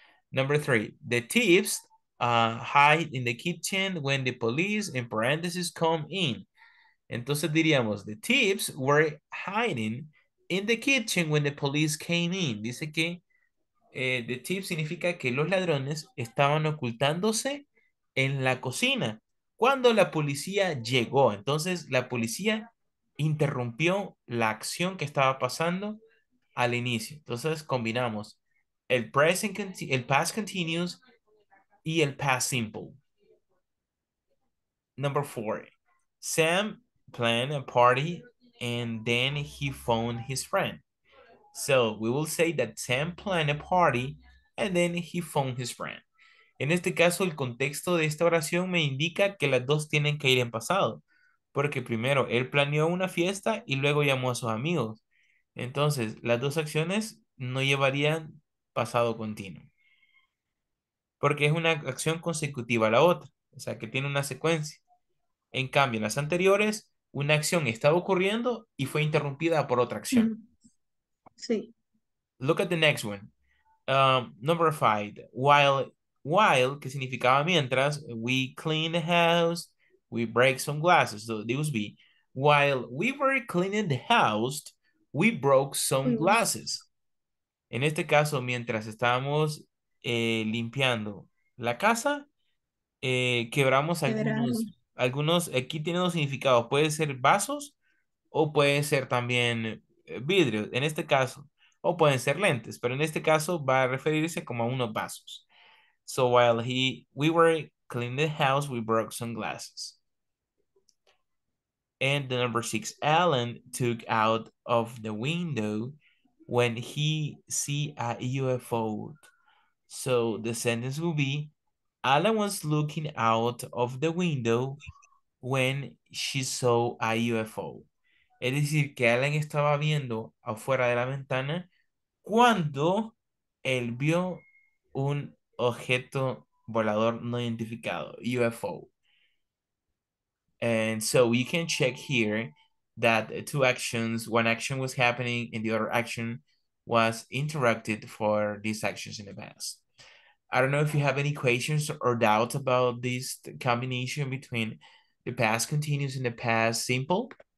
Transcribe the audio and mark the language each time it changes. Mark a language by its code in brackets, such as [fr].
[en] Number three, the thieves hide in the kitchen when the police in parentheses come in. [es] Entonces diríamos, [en] the thieves were hiding in the kitchen when the police came in. [es] Dice que [en] the thieves [es] significa que los ladrones estaban ocultándose en la cocina cuando la policía llegó. Entonces, la policía interrumpió la acción que estaba pasando al inicio. Entonces, combinamos el past continuous y el past simple. [en] Number four. Sam planned a party and then he phoned his friend. So, we will say that Sam planned a party and then he phoned his friend. [es] En este caso, el contexto de esta oración me indica que las dos tienen que ir en pasado. Porque primero, él planeó una fiesta y luego llamó a sus amigos. Entonces, las dos acciones no llevarían pasado continuo. Porque es una acción consecutiva a la otra. O sea, que tiene una secuencia. En cambio, en las anteriores, una acción estaba ocurriendo y fue interrumpida por otra acción. Sí. [en] Look at the next one. Number five. While, [es] que significaba mientras, [en] we clean the house, we break some glasses. So this would be, while we were cleaning the house, we broke some glasses. [es] En este caso, mientras estábamos limpiando la casa, quebramos algunos, aquí tiene dos significados, puede ser vasos o puede ser también vidrio, en este caso, o pueden ser lentes, pero en este caso va a referirse como a unos vasos. [en] So while we were cleaning the house, we broke some glasses. And the number six, Alan took out of the window when he see a UFO. So the sentence will be, Alan was looking out of the window when she saw a UFO. [es] Es decir, que Alan estaba viendo afuera de la ventana cuando él vio un objeto volador no identificado, UFO. [en] And so we can check here that two actions, one action was happening and the other action was interrupted for these actions in the past. I don't know if you have any questions or doubts about this combination between the past continuous and the past simple.